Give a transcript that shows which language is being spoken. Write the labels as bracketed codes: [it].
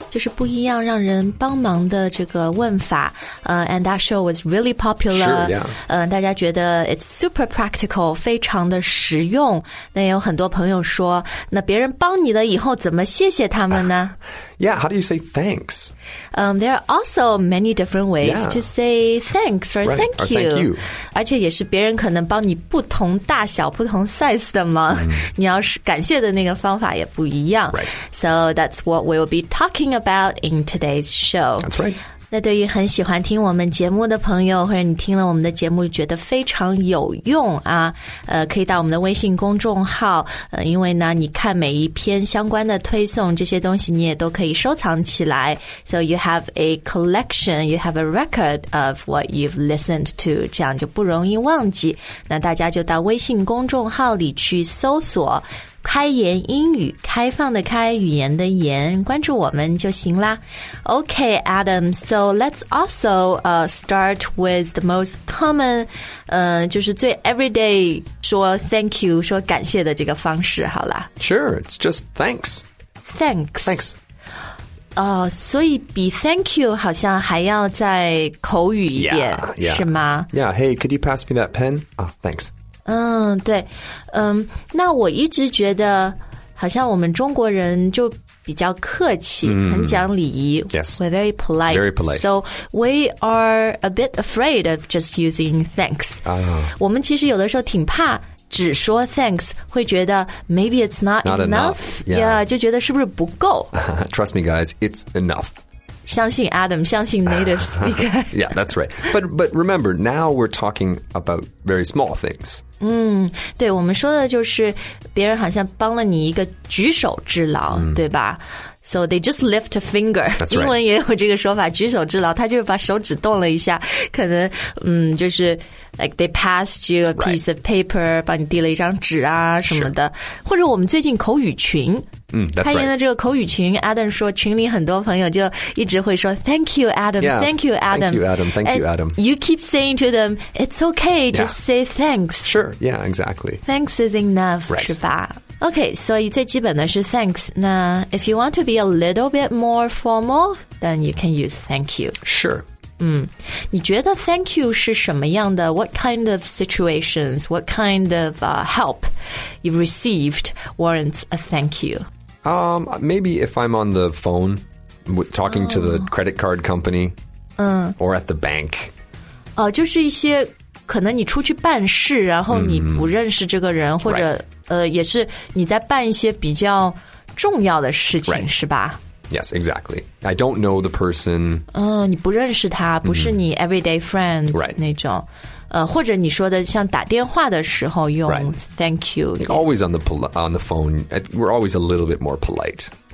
[zh] 就是不一样让人帮忙的这个问法。 [en] And that show was really popular. Sure, yeah. [zh] 大家觉得 [en] it's super practical, [zh] 非常的实用。那有很多朋友说，那别人帮你了以后怎么谢谢他们呢？ [en] Yeah, how do you say thanks? There are also many different ways to say thanks or right, thank you. Or thank you. [zh] 而且也是别人可能帮你不同大小、不同 size 的嘛。 Mm-hmm. 你要是感谢的那个方法也不一样。 [en] Right. So that's what we'll be talking about in today's show. That's right. [zh] 那对于很喜欢听我们节目的朋友或者你听了我们的节目觉得非常有用啊可以到我们的微信公众号因为呢你看每一篇相关的推送这些东西你也都可以收藏起来 [en] So you have a collection, you have a record of what you've listened to [zh] 这样就不容易忘记那大家就到微信公众号里去搜索开言英语开放的开语言的言关注我们就行啦 [en] Okay, Adam, so let's also start with the most common, [zh] 就是最 everyday 说 thank you, 说感谢的这个方式好啦 [en] Sure, it's just thanks. Thanks. Thanks. [zh] 所以比 thank you 好像还要再口语一点 [en] yeah, yeah. [zh] 是吗 [en] Yeah, hey, could you pass me that pen? Oh, thanks. [zh] 对那我一直觉得好像我们中国人就比较客气、mm. 很讲礼仪 [en] Yes. We're very polite. Very polite. So we are a bit afraid of just using thanks.、 Oh. [zh] 我们其实有的时候挺怕只说 thanks, 会觉得 [en] maybe it's not enough. Yeah. [zh] Yeah, 就觉得是不是不够。 [en] Trust me guys, it's enough. [zh] 相信 Adam, 相信 native speaker. [en] yeah, that's right. But remember, now we're talking about very small things. [zh] 对我们说的就是别人好像帮了你一个举手之劳、mm. 对吧 [en] So they just lift a finger. That's right. [zh] 英文也有这个说法举手之劳他就把手指动了一下可能就是 [en] like they passed you a piece、 right. of paper, [zh] 帮你递了一张纸啊什么的、 [en] sure. [zh] 或者我们最近口语群 [en] That's right. [zh] 开言的这个口语群 Adam 说群里很多朋友就一直会说 [en] Thank you, Adam. Yeah, thank you, Adam. Thank you, Adam. Thank you, Adam. You keep saying to them, it's okay, just、 yeah. say thanks. Sure, yeah, exactly. Thanks is enough,、 right. [zh] 是吧 Okay, 所以最基本的是 thanks. [en] 那 if you want to be a little bit more formal, then you can use thank you. Sure. [zh] 你觉得 thank you 是什么样的 [en] What kind of situations, what kind of help you've received warrants a thank you? Maybe if I'm on the phone talking、oh. to the credit card company、or at the bank. [zh] 就是一些可能你出去办事然后你不认识这个人、mm-hmm. 或者、 [en] right. [zh] 也是你在办一些比较重要的事情、 [en] right. [zh] 是吧 [en] Yes, exactly. I don't know the person. [zh] 你不认识他不是你 everyday friends、 [en] right. [zh] 那种。或者你说的像打电话的时候用、 [en] right. thank you. Always on the phone, we're always a little bit more polite.